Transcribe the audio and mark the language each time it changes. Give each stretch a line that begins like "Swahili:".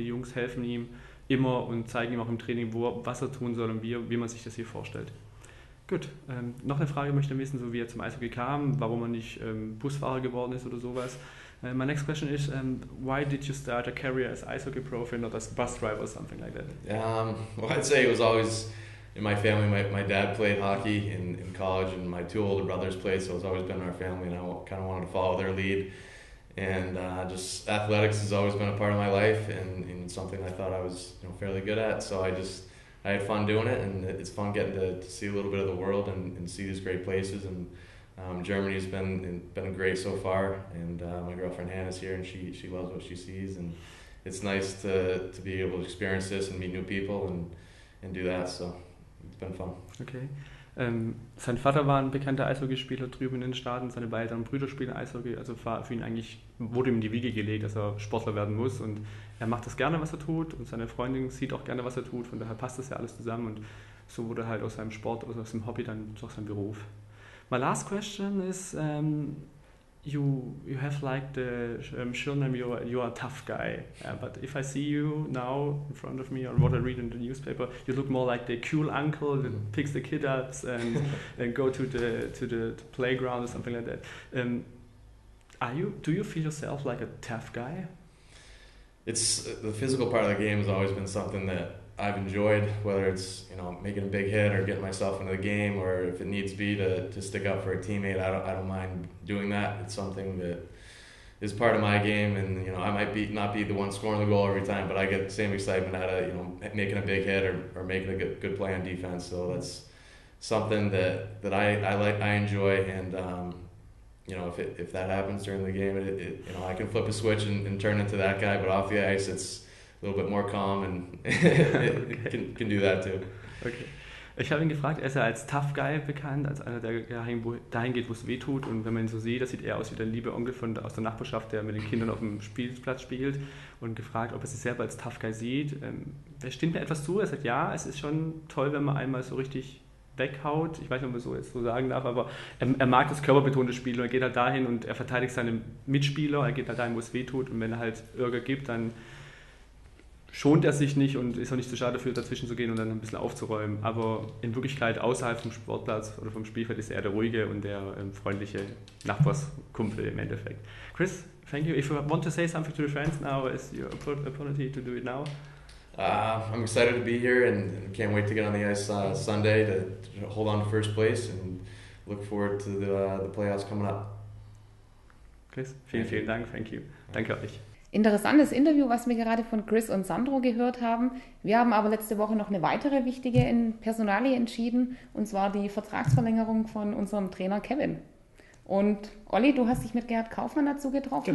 German: Und die Jungs helfen ihm immer und zeigen ihm auch im Training, was er tun soll und wie man sich das hier vorstellt. Gut, noch eine Frage möchte ich wissen, so wie er zum Eishockey kam, warum er nicht Busfahrer geworden ist oder sowas.
English: My next question is, why did you start a career as ice hockey prof and not as bus driver or something like that? Well, I'd say it was always in my family. My dad played hockey in college, and my two older brothers played, so it's always been in our family, and I kind of wanted to follow their lead. And just athletics has always been a part of my life, and something I thought I was, you know, fairly good at. So I had fun doing it, and it's fun getting to see a little bit of the world and see these great places. And Germany has been great so far, and my girlfriend Hannah's here, and she loves what she sees, and it's nice to be able to experience this and meet new people and do that. So it's been fun. Okay.
German: Sein Vater war ein bekannter Eishockeyspieler drüben in den Staaten. Seine beiden Brüder spielen Eishockey. Also für ihn eigentlich wurde ihm die Wiege gelegt, dass er Sportler werden muss. Und er macht das gerne, was er tut. Und seine Freundin sieht auch gerne, was er tut. Von daher passt das ja alles zusammen. Und so wurde halt aus seinem Sport, also aus seinem Hobby, dann doch sein Beruf.
English: My last question is, you have like the surname, you're a tough guy. But if I see you now in front of me or what I read in the newspaper, you look more like the cool uncle that picks the kid up and go to the playground or something like that. Do you feel yourself like a tough guy? It's the physical part of the game has always been something that I've enjoyed, whether it's, you know, making a big hit or getting myself into the game, or if it needs be to stick up for a teammate, I don't mind doing that. It's something that is part of my game, and you know, I might not be the one scoring the goal every time, but I get the same excitement out of, you know, making a big hit or making a good play on defense. So that's something that I like, I enjoy, and you know, if that happens during the game, it you know, I can flip a switch and turn into that guy. But off the ice, it's a little bit more calm and okay. can do that too. Okay.
German: Ich habe ihn gefragt, er ist ja als Tough Guy bekannt, als einer, der dahin geht, wo es weh tut. Und wenn man ihn so sieht, das sieht er aus wie der liebe Onkel aus der Nachbarschaft, der mit den Kindern auf dem Spielplatz spielt. Und gefragt, ob er sich selber als Tough Guy sieht. Stimmt mir etwas zu? Er sagt, ja, es ist schon toll, wenn man einmal so richtig weghaut. Ich weiß nicht, ob man so jetzt so sagen darf, aber er mag das körperbetonte Spiel. Und er geht halt dahin und er verteidigt seine Mitspieler. Er geht halt dahin, wo es weh tut. Und wenn er halt Ärger gibt, dann schont er sich nicht und ist auch nicht zu schade dafür, dazwischen zu gehen und dann ein bisschen aufzuräumen. Aber in Wirklichkeit außerhalb vom Sportplatz oder vom Spielfeld ist er der ruhige und der freundliche Nachbarskumpel im Endeffekt.
English: Chris, thank you. If you want to say something to the fans now, it's your opportunity to do it now. I'm excited to be here and can't wait to get on the ice Sunday to hold on to first place and look forward to the playoffs coming up.
German: Chris, vielen Dank.
English: Thank you.
German: Danke euch. Interessantes Interview, was wir gerade von Chris und Sandro gehört haben. Wir haben aber letzte Woche noch eine weitere wichtige Personalie entschieden, und zwar die Vertragsverlängerung von unserem Trainer Kevin. Und Olli, du hast dich mit Gerhard Kaufmann dazu getroffen.